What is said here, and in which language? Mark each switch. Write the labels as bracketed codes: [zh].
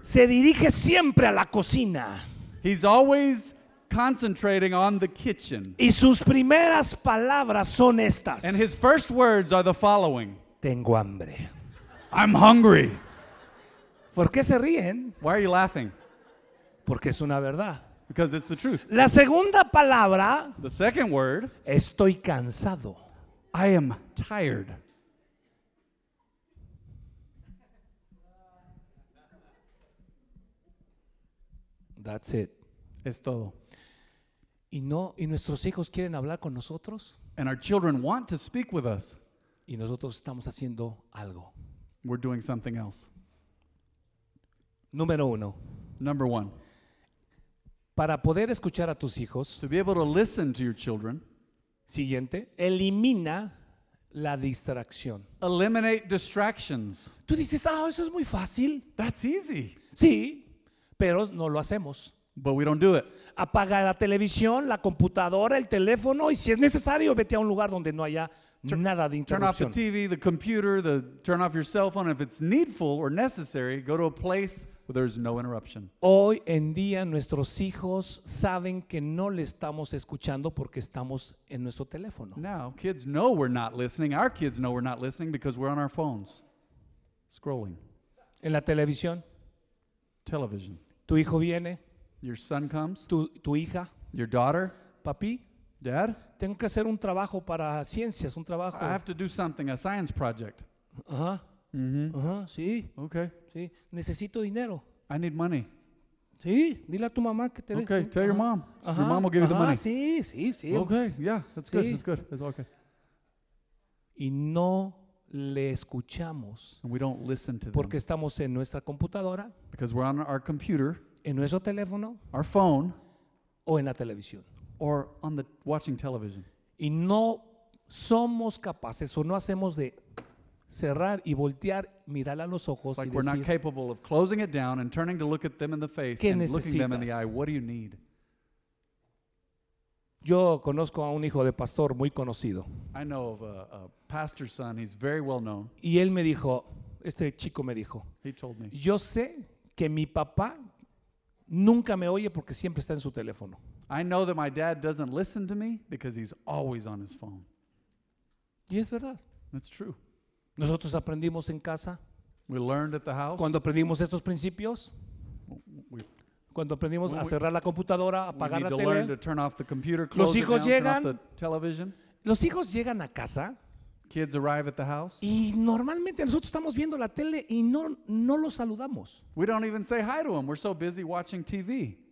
[es] se dirige siempre a la cocina. [en] He's always concentrating on the kitchen. [es] Y sus primeras palabras son estas. [en] And his first words are the following. [es] Tengo hambre. [en] I'm hungry. [es] ¿Por qué se ríen? [en] Why are you laughing? [es] Porque es una verdad. [en] Because it's the truth. [es] La segunda palabra, [en] the second word, [es] estoy cansado. [en] I am tired. That's it. [es] Es todo. Y no, y nuestros hijos quieren hablar con nosotros. [en] And our children want to speak with us. [es] Y nosotros estamos haciendo algo. [en] We're doing something else. [es] Número uno. [en] Number one. [es] Para poder escuchar a tus hijos. [en] To be able to listen to your children. [es] Siguiente. Elimina la distracción. [en] Eliminate distractions. [es] Tú dices, ah, eso es muy fácil. [en] That's easy. [es] Sí, pero no lo hacemos. [en] But we don't do it. [es] Apaga la televisión, la computadora, el teléfono, y si es necesario, vete a un lugar donde no haya nada de interrupción. [en] Turn off the TV, the computer, the turn off your cell phone. If it's needful or necessary, go to a place where there's no interruption. [es] Hoy en día nuestros hijos saben que no le estamos escuchando porque estamos en nuestro teléfono. [en] Now, kids know we're not listening. Our kids know we're not listening because we're on our phones, scrolling. [es] En la televisión. [en] Television. [es] Tu hijo viene. [en] Your son comes. [es] Tu hija. [en] Your daughter. [es] Papi. [en] Dad. [es] Tengo que hacer un trabajo para ciencias, un trabajo. [en] I have to do something, a science project. Ajá. Mm-hmm. Ajá, sí. Okay. [es] Sí. Necesito dinero. [en] I need money. [es] Sí, dile a tu mamá que te dé. [en] Okay, [es] sí. [en] Tell your mom. Ajá. Your mom will give you the money. [es] Ajá, sí, sí, sí. [en] Okay, yeah, that's good, sí. That's good. That's okay. [es] Y no le escuchamos. [en] And we don't listen to [es] Porque estamos en nuestra computadora. [en] Because we're on our computer. [es] En nuestro teléfono. [en] Our phone. [es] O en la televisión. [en] Or on the watching television. [es] Y no somos capaces o no hacemos de cerrar y voltear, mirar a los ojos [en] like [es] y decir, [en] we're not capable of closing it down and turning to look at them in the face and [es] necesitas? [en] Looking them in the eye. What do you need? [es] Yo conozco a un hijo de pastor muy conocido. [en] I know of a pastor's son. He's very well known. [es] Y él me dijo, este chico me dijo, [en] he told me, [es] yo sé que mi papá nunca me oye porque siempre está en su teléfono. [en] I know that my dad doesn't listen to me because he's always on his phone. [es] Y es verdad. [en] That's true. [es] Nosotros aprendimos en casa. [en] We learned at the house. [es] Cuando aprendimos estos principios. Cuando aprendimos a cerrar la computadora, apagar la tele. [en] We need to learn to turn off the computer, close it down, turn off the television. [es] Los hijos llegan a casa. [en] Kids arrive at the house. [es] Y normalmente nosotros estamos viendo la tele y no los saludamos. [en] We don't even say hi to them. We're so busy watching TV.